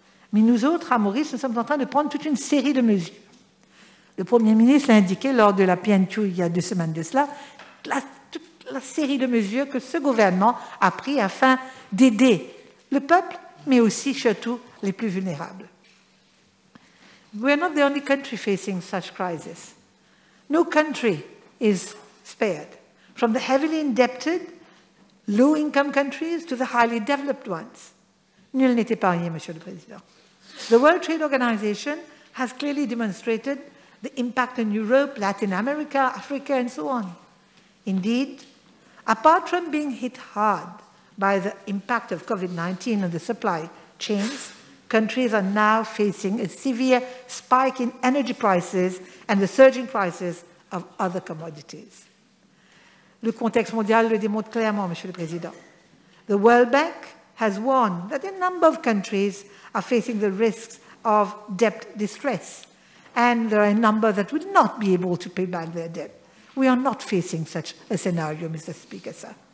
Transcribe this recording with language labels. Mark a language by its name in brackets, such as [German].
[French] Mais nous autres, à Maurice, nous sommes en train de prendre toute une série de mesures. Le Premier ministre l'a indiqué lors de la PNQ il y a 2 semaines de cela, toute la série de mesures que ce gouvernement a prises afin d'aider le peuple, mais aussi surtout les plus vulnérables. [English] We are not the only country facing such crisis. No country is spared, from the heavily indebted, low-income countries to the highly developed ones. [French] Nul n'est épargné, Monsieur le Président. [English] The World Trade Organization has clearly demonstrated the impact on Europe, Latin America, Africa, and so on. Indeed, apart from being hit hard by the impact of COVID-19 on the supply chains, countries are now facing a severe spike in energy prices and the surging prices of other commodities. [French] Le contexte mondial le démontre clairement, Monsieur le Président. [English] The World Bank has warned that a number of countries are facing the risks of debt distress, and there are a number that would not be able to pay back their debt. We are not facing such a scenario, Mr. Speaker, sir.